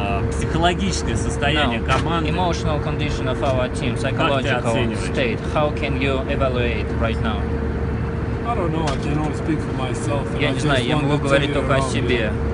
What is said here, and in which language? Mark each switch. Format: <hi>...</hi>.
<ru>психологическое состояние команды.</ru> <en>Emotional condition of our team, psychological state. How can you evaluate right now? I don't know. I can only speak for myself.</en> <ru>Я не знаю. Я могу говорить только о себе.</ru>